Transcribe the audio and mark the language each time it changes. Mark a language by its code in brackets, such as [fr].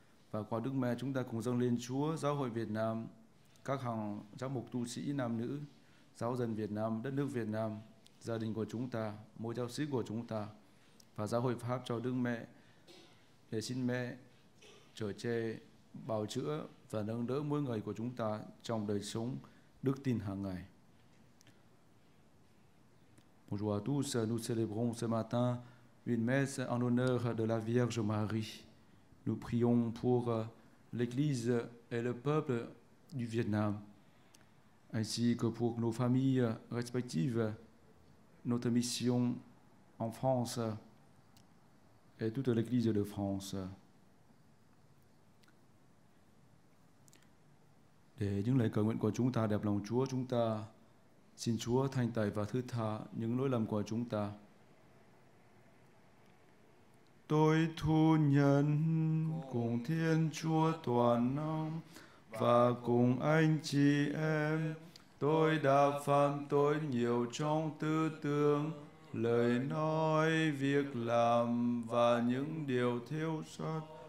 [vi] Và qua Đức Mẹ, chúng ta cùng dâng lên Chúa Giáo hội Việt Nam, các hàng giám mục tu sĩ nam nữ, giáo dân Việt Nam, đất nước Việt Nam, gia đình của chúng ta, mỗi giáo sĩ của chúng ta và Giáo hội Pháp cho Đức Mẹ, để xin Mẹ trở che, bào chữa và nâng đỡ mỗi người của chúng ta trong đời sống đức tin hàng ngày. [fr] Bonjour à tous, nous célébrons ce matin une messe en honneur de la Vierge Marie. Nous prions pour l'Église et le peuple du Vietnam, ainsi que pour nos familles respectives, notre mission en France et toute l'Église de France. [vi] Để những lời cầu nguyện của chúng ta đẹp lòng Chúa, chúng ta xin Chúa thanh tẩy và thứ tha những lỗi lầm của chúng ta. Tôi thu nhận cùng Thiên Chúa toàn năng và cùng anh chị em, tôi đã phạm tội nhiều trong tư tưởng, lời nói, việc làm và những điều thiếu sót.